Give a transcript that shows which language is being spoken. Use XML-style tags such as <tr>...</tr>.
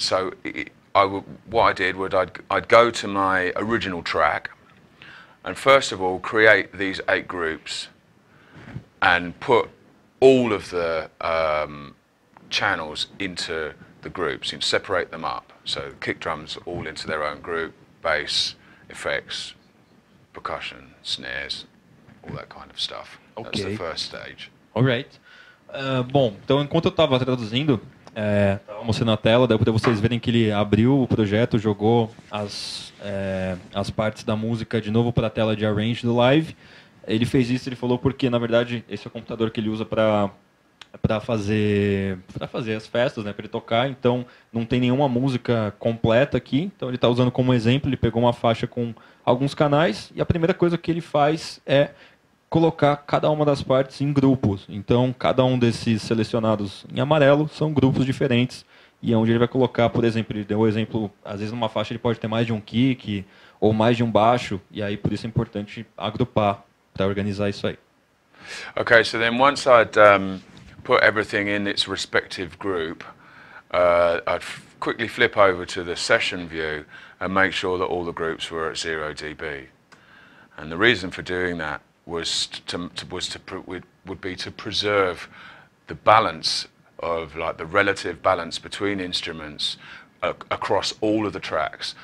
<en>So I'd go to my original track and first of all create these eight groups and put all of the channels into the groups and separate them up. So kick drums all into their own group, bass, effects, percussion, snares, all that kind of stuff. Okay. That's the first stage. All right.</en> <pt>Bom, então enquanto eu estava traduzindo, estava mostrando a tela, daí para vocês verem que ele abriu o projeto, jogou as partes da música de novo para a tela de arrange do live. Ele fez isso, ele falou porque, na verdade, esse é o computador que ele usa para fazer as festas, né, para ele tocar, então não tem nenhuma música completa aqui. Então ele está usando como exemplo, ele pegou uma faixa com alguns canais e a primeira coisa que ele faz é colocar cada uma das partes em grupos. Então, cada um desses selecionados em amarelo são grupos diferentes. E é onde ele vai colocar, por exemplo, ele deu um exemplo, às vezes numa faixa ele pode ter mais de um kick ou mais de um baixo. E aí, por isso é importante agrupar para organizar isso aí.</pt> <en>Ok, so then once I'd put everything in its respective group, I'd quickly flip over to the session view and make sure that all the groups were at 0 dB. And the reason for doing that would be to preserve the balance of, like, the relative balance between instruments across all of the tracks.</en>